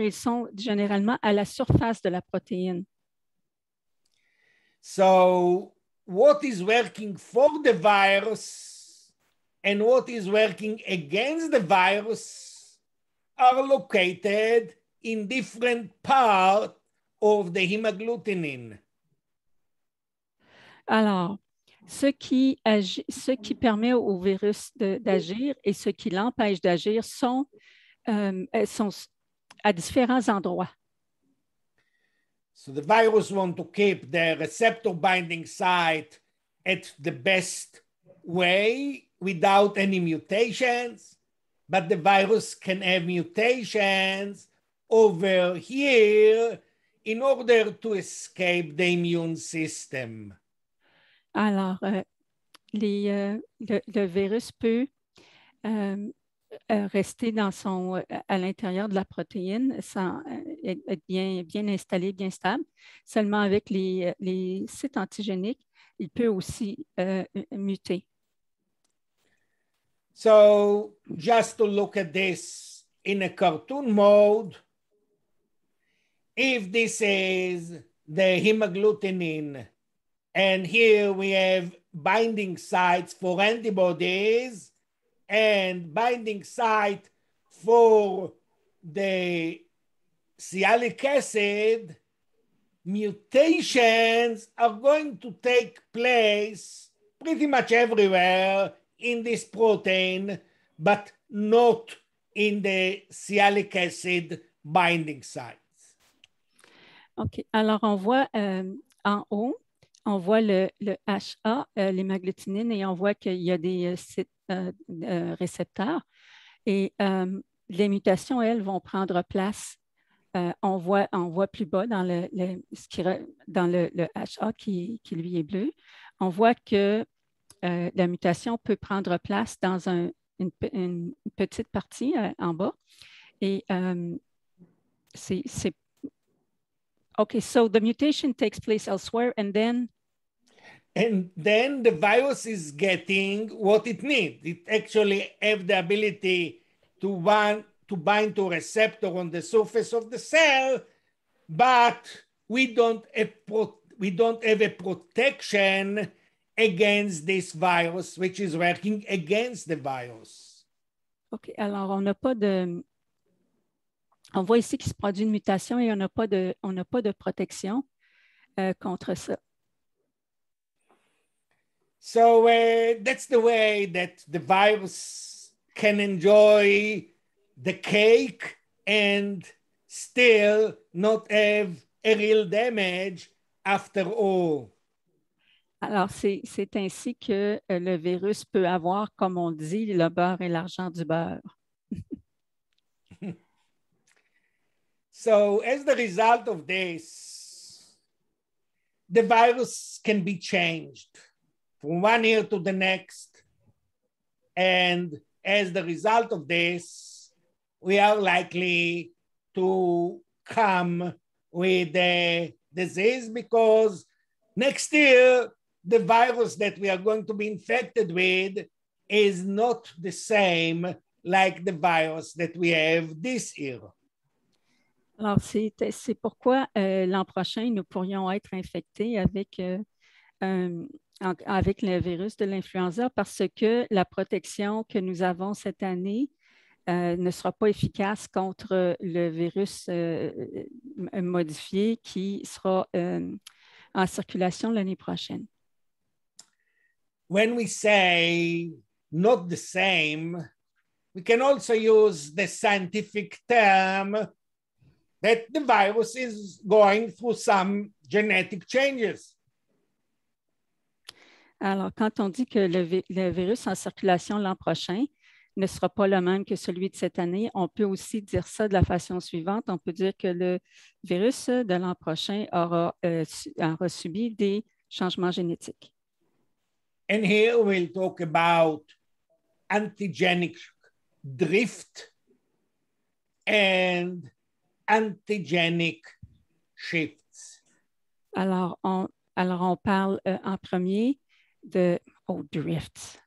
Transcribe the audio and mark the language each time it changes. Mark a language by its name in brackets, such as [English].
[French] Ils sont généralement à la surface de la protéine. [English] So, what is working for the virus and what is working against the virus are located in different parts of the hemagglutinin. [French] Alors, ce qui permet au virus d'agir et ce qui l'empêche d'agir sont à différents endroits. [English] So the virus wants to keep the receptor binding site at the best way without any mutations. But the virus can have mutations over here in order to escape the immune system. [French] Alors, le virus peut rester dans à l'intérieur de la protéine sans être bien installé, bien stable. Seulement avec les sites antigéniques, il peut aussi muter. [English] So, just to look at this in a cartoon mode, if this is the hemagglutinin, and here we have binding sites for antibodies and binding site for the sialic acid, mutations are going to take place pretty much everywhere in this protein, but not in the sialic acid binding sites. OK. [French] Alors, on voit en haut, on voit le HA, l'hémagglutinin, et on voit qu'il y a des récepteurs. Et les mutations, elles, vont prendre place. On voit plus bas dans le HA qui lui est bleu. On voit que la mutation peut prendre place dans une petite partie en bas. Et c'est... [English] OK, so the mutation takes place elsewhere and then... And then the virus is getting what it needs. It actually has the ability to bind to a receptor on the surface of the cell, but we don't have a protection against this virus, which is working against the virus. [French] OK, alors on n'a pas de... On voit ici qu'il se produit une mutation et on n'a pas de protection contre ça. [English] So that's the way that the virus can enjoy the cake and still not have a real damage after all. [French] Alors, c'est ainsi que le virus peut avoir, comme on dit, le beurre et l'argent du beurre. [English] So, as the result of this, the virus can be changed from one year to the next. And as the result of this, we are likely to come with the disease because next year, the virus that we are going to be infected with is not the same like the virus that we have this year. [French] Alors, c'est pourquoi l'an prochain, nous pourrions être infectés avec, avec le virus de l'influenza parce que la protection que nous avons cette année ne sera pas efficace contre le virus modifié qui sera en circulation l'année prochaine. [English] When we say not the same, we can also use the scientific term that the virus is going through some genetic changes. [French] Alors, quand on dit que le virus en circulation l'an prochain ne sera pas le même que celui de cette année, on peut aussi dire ça de la façon suivante. On peut dire que le virus de l'an prochain aura subi des changements génétiques. [English] And here we'll talk about antigenic drift and antigenic shifts. [French] Alors on parle en premier de drifts.